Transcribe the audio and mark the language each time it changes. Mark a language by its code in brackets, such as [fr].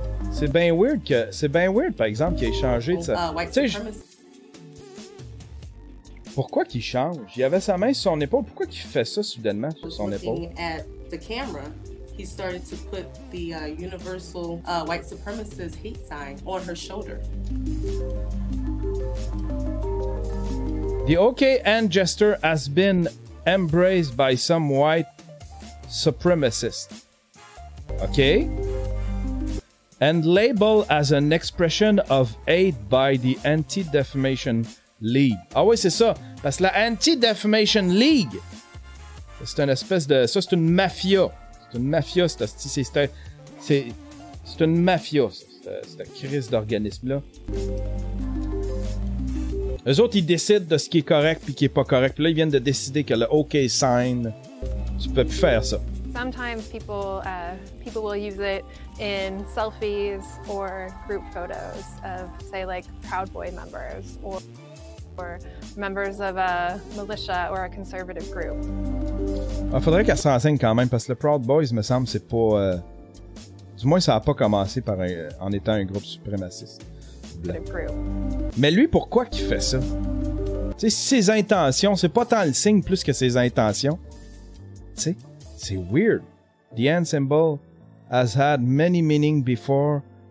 [fr] C'est bien weird par exemple qu'il ait changé de ça. Pourquoi qu'il change? Il avait sa main sur son épaule. Pourquoi qu'il fait ça soudainement sur son épaule? [en] Looking at the camera, he started to put the universal white supremacist hate sign on her shoulder. The OKN gesture has been embraced by some white supremacists. Okay? And labeled as an expression of hate by the Anti-Defamation League. [fr] Ah oui, c'est ça. Parce que la Anti-Defamation League, c'est une espèce de... Ça, c'est une mafia. C'est une mafia, cette crise d'organisme-là. Eux autres, ils décident de ce qui est correct puis qui est pas correct. Puis là, ils viennent de décider que le OK sign, tu peux plus faire ça. [en] Sometimes people will use it in selfies or group photos of, say, like Proud Boy members or members of a militia or a conservative group. [fr] Il faudrait qu'elle s'enseigne quand même parce que le Proud Boys, me semble, c'est pas. Du moins, ça a pas commencé par en étant un groupe suprémaciste. Mais lui, pourquoi qu'il fait ça? Tu sais, ses intentions, c'est pas tant le signe plus que ses intentions. Tu sais, c'est weird. [en] The hand symbol has had many meanings before.